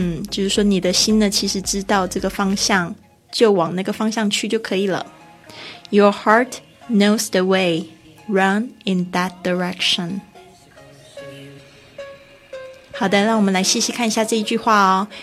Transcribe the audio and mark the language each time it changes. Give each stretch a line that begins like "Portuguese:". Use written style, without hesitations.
Chinese: 就是说你的心呢，其实知道这个方向，就往那个方向去就可以了。
English: Your heart knows the way, run in that direction.
Chinese: 好的，让我们来细细看一下这一句话哦。